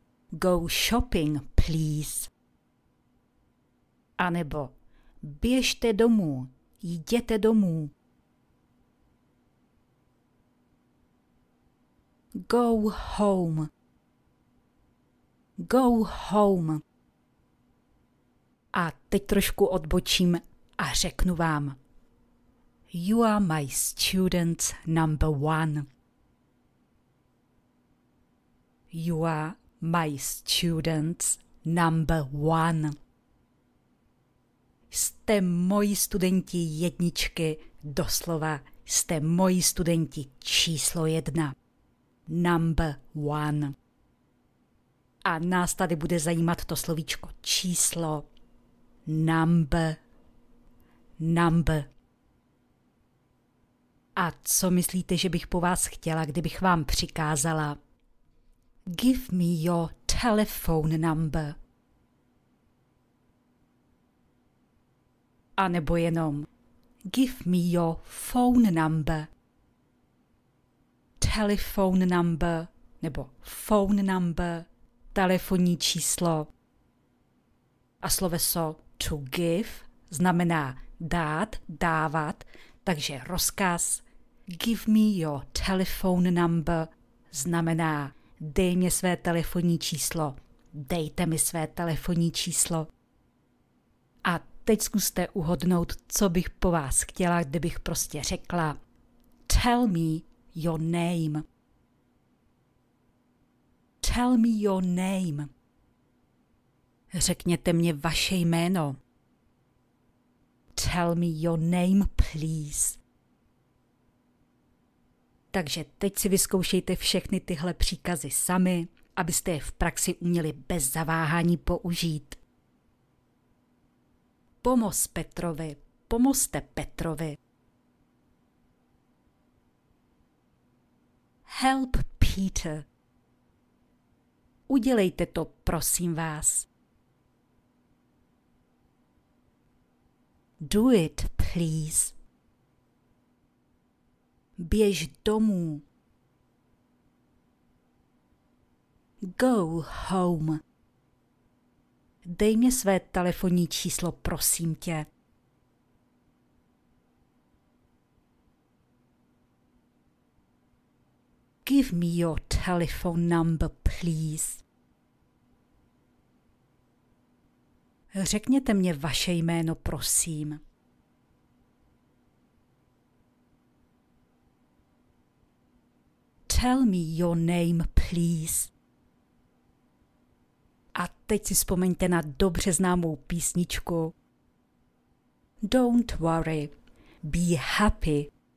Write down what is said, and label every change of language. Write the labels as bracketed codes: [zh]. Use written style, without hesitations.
[en] Go shopping, please. [cs] anebo běžte domů, jděte domů. [en] Go home. Go home. [cs] A teď trošku odbočím a řeknu vám. [en] You are my student number one. You are my student number one. [cs] Jste moji studenti jedničky, doslova jste moji studenti číslo jedna. [en] Number one. [cs] A nás tady bude zajímat to slovíčko číslo. Number. Number. A co myslíte, že bych po vás chtěla, kdybych vám přikázala? [en] Give me your telephone number. [cs] A nebo jenom [en] give me your phone number. Telephone number nebo phone number, [cs] telefonní číslo. A sloveso to give znamená dát, dávat, takže rozkaz [en] give me your telephone number [cs] znamená dej mi své telefonní číslo, dejte mi své telefonní číslo. A teď zkuste uhodnout, co bych po vás chtěla, kdybych prostě řekla [en] tell me your name. Tell me your name. [cs] Řekněte mě vaše jméno. [en] Tell me your name, please. [cs] Takže teď si vyzkoušejte všechny tyhle příkazy sami, abyste je v praxi uměli bez zaváhání použít. Pomoz Petrovi, pomozte Petrovi. [en] Help Peter. [cs] Udělejte to, prosím vás. [en] Do it, please. [cs] Běž domů. [en] Go home. [cs] Dej mi své telefonní číslo, prosím tě. [en] Give me your telephone number, please. [cs] Řekněte mě vaše jméno, prosím. [en] Tell me your name, please. [cs] A teď si vzpomeňte na dobře známou písničku. [en] Don't worry, be happy.